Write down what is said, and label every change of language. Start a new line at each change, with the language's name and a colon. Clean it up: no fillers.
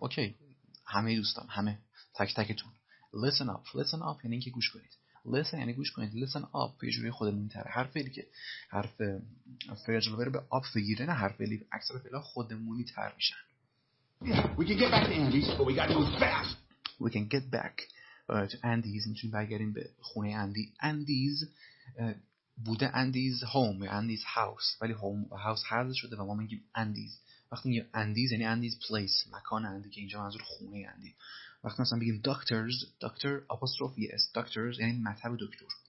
Persian: Okay, همه دوستان، همه تک تکتون. Listen up یعنی که گوش کنید. Listen یعنی گوش کنید. Listen up یه جوری خودمون تره. هر فعلی که حرف فعل رو به up بگیره، نه هر فعلی، اکثر فعلا خودمونی تر میشن.
English: We can get back to Andy's, but we got to move fast. We can get back.
Persian: اندیز، میتونیم برگردیم به خونه اندی. اندیز بوده اندیز هوم یا اندیز هاوس، ولی هوم و هاوس حذف شده و ما میگیم اندیز. وقتی میگیم اندیز یعنی اندیز پلیس، مکان اندی، که اینجا منظور خونه اندی. وقتی مثلا بگیم دکترز، دکتر اپوستروفی اس، دکترز یعنی مطب دکتر.